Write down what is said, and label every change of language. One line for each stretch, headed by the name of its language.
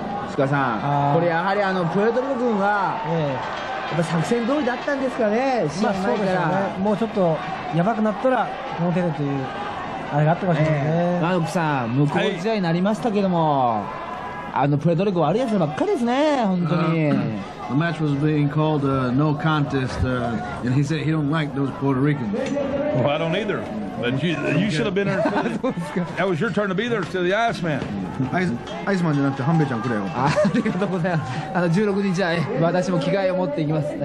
Japanese: 塚さん、これやはりあのプエルトリコ君はやっぱ作戦通りだったんですかね。まあそうですよね、もうちょっとヤバくなったらこの手でというあれがあったかもしれないですね。マドックさん、無効試合になりましたけども、はい、あのプエルトリコ悪いやつばっかりですね本当に。
English: The match was being called a no contest, and he said he don't like those Puerto Ricans. Well, I don't either. But you should have been there. That was your turn to be there, to the Iceman.
Japanese: Iceman じゃなくて半兵衛ちゃんくれよ。ありがとうございます。あの16日は、私も着替えを持っていきます。